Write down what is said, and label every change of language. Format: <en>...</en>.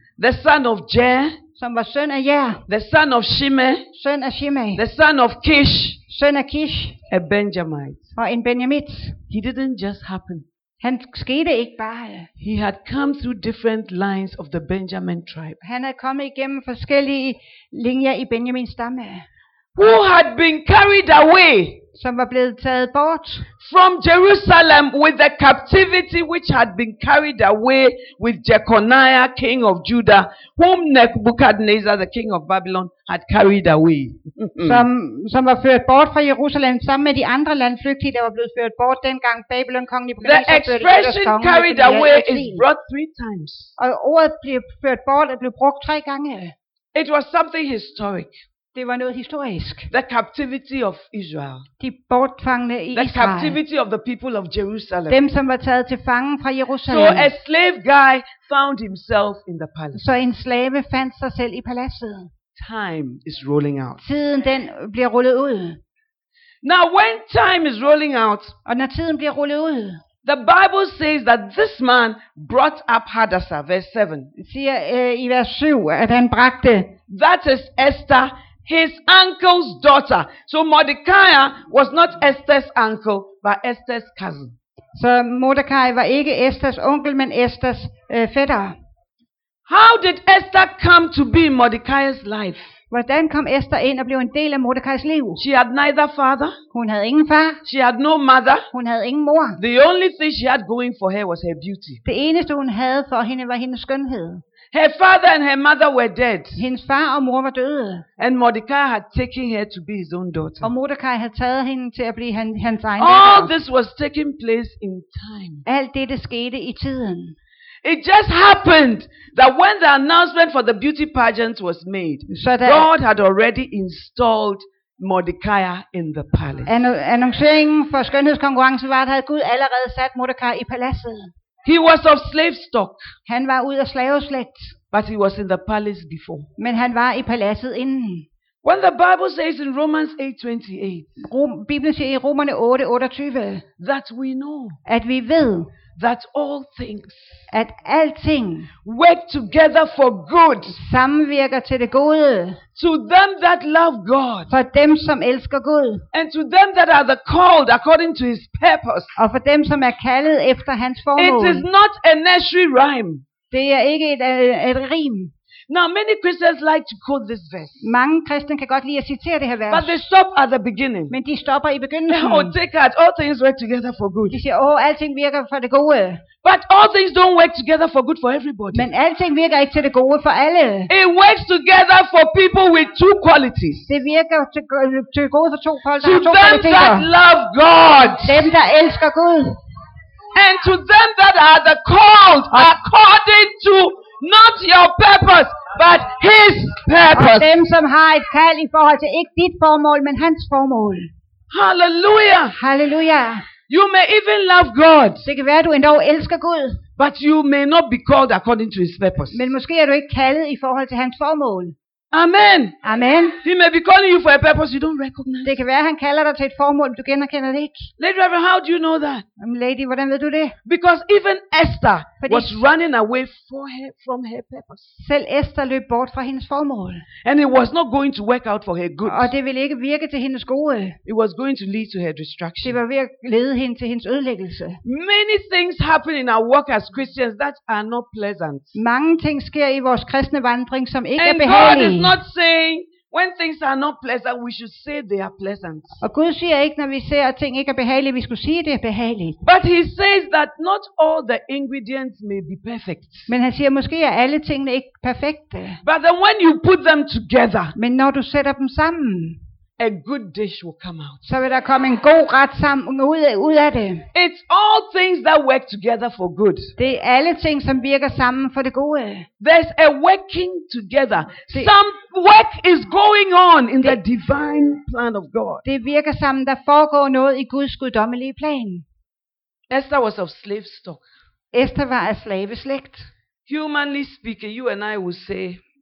<en>The son of Jer.</en> <da>Som var søn af Jer.</da> <en>The son of Shimei.</en> <da>Søn af Shimei.</da> <en>The son of Kish.</en> <da>Søn af Kish.</da> <en>A Benjamite.</en> <da>Og en Benjamit.</da> <en>He didn't just happen.</en> <da>Han skete ikke bare.</da> <en>He had come through different lines of the Benjamin tribe.</en> <da>Han havde kommet igennem forskellige linjer i Benjamins stamme.</da> <en>Who had been carried away?</en> <da>Som var blevet taget bort.</da> <en>From Jerusalem with the captivity which had been carried away with Jeconiah, king of Judah, whom Nebuchadnezzar, the king of Babylon, had carried away.</en> <da>Som var ført bort fra Jerusalem sammen med de andre landflygtige, der var blevet ført bort dengang Babylon kong Nebuchadnezzar.</da> <en>The expression carried away is brought three times.</en> <da>Og ordet blev ført bort og blev brugt tre gange.</da> <en>It was something historic.</en> <da>Det var noget historisk.</da> <en>The captivity of Israel.</en> <da>De bortfangne i</da> <en>the</en> <da>Israel.</da> <en>Captivity of the people of Jerusalem.</en> <da>Dem som var taget til fange fra Jerusalem.</da> <en>So a slave guy found himself in the palace.</en> <da>Så en slave fandt sig selv i paladset.</da> <en>time is rolling out.</en> <da>Tiden den bliver rullet ud.</da> <en>Now when time is rolling out,</en> <da>og når tiden bliver rullet ud,</da> <en>the Bible says that this man brought up Hadassah, verse 7.</en> <da>Siger i vers 7, at han bragte.</da> <en>That is Esther, his uncle's daughter. So Mordecai was not Esther's uncle, but Esther's cousin.</en> <da>Så Mordecai var ikke Esthers onkel, men Esthers fætter.</da> <en>How did Esther come to be in Mordecai's life?</en> <da>Hvordan kom Esther ind og blev en del af Mordecais liv?</da> <en>She had neither father.</en> <da>Hun havde ingen far.</da> <en>She had no mother.</en> <da>Hun havde ingen mor.</da> <en>The only thing she had going for her was her beauty.</en> <da>Det eneste hun havde for hende var hendes skønhed.</da> <en>Her father and her mother were dead.</en> <da>Hendes far og mor var døde.</da> <en>And Mordecai had taken her to be his own daughter.</en> <da>Og Mordecai havde taget hende til at blive hans egen.</da> <en>All this was taking place in time.</en> <da>Alt dette skete i tiden.</da> <en>It just happened that when the announcement for the beauty pageant was made,</en> <da>så da,</da> <en>God had already installed Mordecai in the palace.</en> <da>Annonceringen for skønhedskonkurrencen var, at havde Gud allerede sat Mordecai i paladset.</da> <en>He was of slave stock.</en> <da>Han var ud af slaveslægt.</da> <en>But he was in the palace before.</en> <da>Men han var i paladset inden.</da> <en>When the Bible says in Romans 8:28,</en> <da>Bibelen siger i Romerne 8:28,</da> <en>that we know,</en> <da>at vi ved,</da> <en>that all things,</en> <da>at alting,</da> <en>work together for good,</en> <da>samvirker til det gode,</da> <en>to them that love God,</en> <da>for dem som elsker Gud,</da> <en>and to them that are the called according to his purpose,</en> <da>og for dem som er kaldet efter hans formål.</da> <en>It is not a nursery rhyme.</en> <da>Det er ikke et rim.</da> <en>Now many Christians like to quote this verse.</en> <da>Mange kristne kan godt lide at citere det her vers.</da> <en>But they stop at the beginning.</en> <da>Men de stopper i begyndelsen.</da> <en>Oh, take heart, all things work together for good.</en> <da>De siger, alting virker for det gode.</da> <en>But all things don't work together for good for everybody.</en> <da>Men alting virker ikke til det gode for alle.</da> <en>It works together for people with two qualities.</en> <da>Det virker til det gode for to folk, der har to kvaliteter.</da> <en>To them that love God.</en> <da>Dem der elsker Gud.</da> <en>And to them that are the called according to not your purpose, but his purpose.</en> <da>Og dem som har et kald i forhold til ikke dit formål, men hans formål.</da> <en>Hallelujah.</en> <da>Hallelujah.</da> <en>You may even love God.</en> <da>Det kan være, du endda elsker Gud.</da> <en>But you may not be called according to his purpose.</en> <da>Men måske er du ikke kaldet i forhold til hans formål.</da> <en>Amen.</en> <da>Amen.</da> <en>He may be calling you for a purpose you don't recognize.</en> <da>Det kan være, han kalder dig til et formål, du genkender det ikke.</da> <en>Lady Reverend, how do you know that?</en> <da>Lady, hvordan ved du det?</da> <en>Because even Esther was running away from her purpose.</en> <da>Selv Esther løb bort fra hendes formål.</da> <en>And it was not going to work out for her good.</en> <da>Og det ville ikke virke til hendes gode.</da> <en>It was going to lead to her destruction.</en> <da>Det var ved at lede hende til hendes ødelæggelse.</da> <en>Many things happen in our work as Christians that are not pleasant.</en> <da>Mange ting sker i vores kristne vandring, som ikke</da> <en>and</en> <da>er behagelige.</da> <en>God is not saying when things are not pleasant, we should say they are pleasant.</en> <da>Og Gud siger ikke, når vi ser at ting ikke er behagelige, vi skulle sige det er behageligt.</da> <en>But he says that not all the ingredients may be perfect.</en> <da>Men han siger måske er alle tingene ikke perfekte.</da> <en>But then when you put them together,</en> <da>men når du sætter dem sammen,</da> <en>a good dish will come out.</en> <da>Så vil der komme en god ret sammen ud af det.</da> <en>It's all things that work together for good.</en> <da>Det er alle ting, som virker sammen for det gode.</da> <en>There's a working together. Some work is going on in the divine plan of God.</en> <da>Det virker sammen, der foregår noget i Guds guddommelige plan.</da> <en>Esther was of slave stock.</en> <da>Esther var af slaveslægt.</da> <en>Humanly speaking, you and I would say,</en>